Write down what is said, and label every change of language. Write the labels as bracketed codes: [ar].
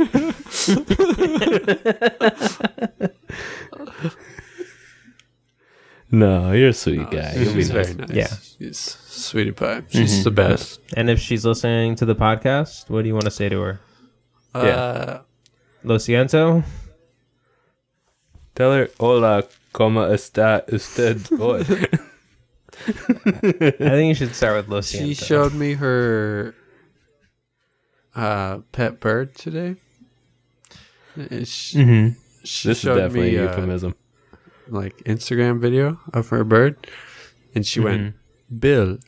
[en] Uh, No, you're a sweet guy. She's very nice. Yeah. She's sweetie pie. She's mm-hmm. the best. And if she's listening to the podcast, what do you want to say to her? [es] Lo siento. [en] Tell her, [es] hola, ¿cómo está usted hoy? [en] I think you should start with [es] lo siento. [en] She showed me her pet bird today. She, mm-hmm. she this showed is definitely me, a euphemism. Like Instagram video of her bird, and she mm-hmm. went, Bill.